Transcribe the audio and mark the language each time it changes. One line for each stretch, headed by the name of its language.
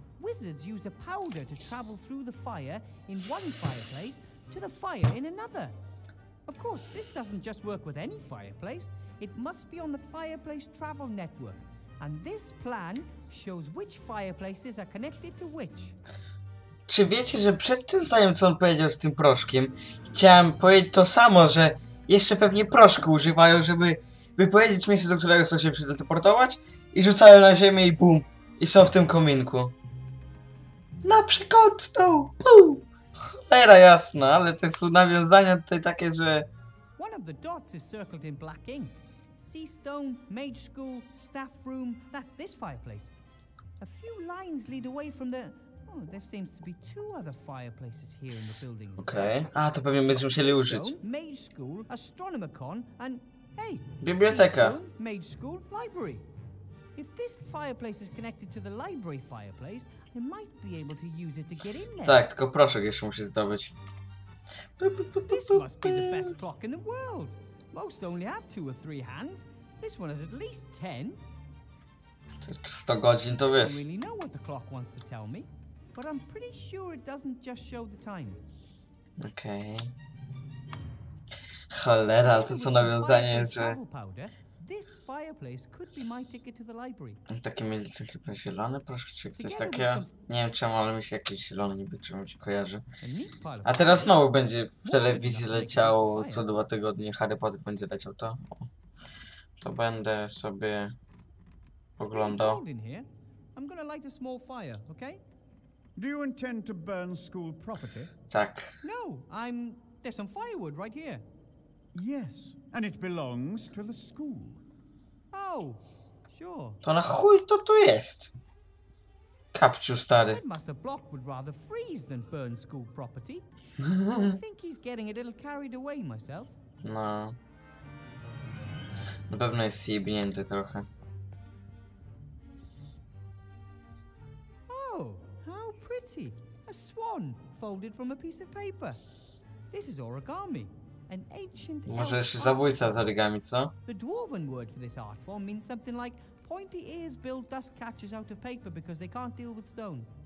English: Wizards use a powder to travel through the fire in one fireplace to the fire in another. Of course, this doesn't just work with any fireplace. It must be on the fireplace travel network. And this plan shows which fireplaces are connected to which.
Polish: Czy wiecie, że przed tym zdaniem, co on powiedział z tym proszkiem, chciałem powiedzieć to samo, że jeszcze pewnie proszku używają, żeby wypowiedzieć miejsce, do którego chcą się przeteleportować i rzucają na ziemię i bum, i są w tym kominku. Na przykład, no, bum! Cholera jasna, ale to są nawiązania tutaj takie, że...
English: One of the dots is circled in black ink. Sea stone, mage school, staff room, that's this fireplace. A few lines lead away from the... Oh, there seems to be two other fireplaces here in the building. Okay.
Polish: A, to pewnie będziemy musieli użyć.
English: Mage school, astronomicon, and... Hey!
Polish: Biblioteka.
English: Mage school, library. If this fireplace is connected to the library fireplace, I might be able to use it to get in there.
Polish: Tak, tylko proszek jeszcze musi zdobyć.
English: This must be the best clock in the world. Most only have two or three hands. This one has at least 10.
Polish: 100 godzin to wiesz.
English: I don't really know what the clock wants to tell me, but I'm pretty sure it doesn't just show the time. Okay.
Polish: Cholera, ale to co nawiązanie, że...
English: This fireplace could be my ticket to the library.
Polish: Takie mieli chyba zielone, proszę, czy coś takiego. Nie wiem czemu, ale mi się jakieś zielone niby czemuś kojarzy. A teraz znowu będzie w telewizji leciało co dwa tygodnie. Harry Potter będzie leciał to. To będę sobie oglądał.
English: I'm gonna light a small fire, okay? Do you intend to burn school property? Tak. No, I'm there's some firewood right here. Yes, and it belongs to the school. Oh, sure.
Polish: To na chuj to tu jest? Kapciu stary.
English: Headmaster Block would rather freeze than burn school property. I think he's getting a little carried away myself. No.
Polish: Na pewno jest zjebnięty trochę.
English: Oh, how pretty. A swan folded from a piece of paper. This is origami. An ancient
Polish: może jeszcze zabójca z origami, co?
English: The dwarven word for this art form means something like pointy ears build dust catchers out of paper because they can't deal with stone.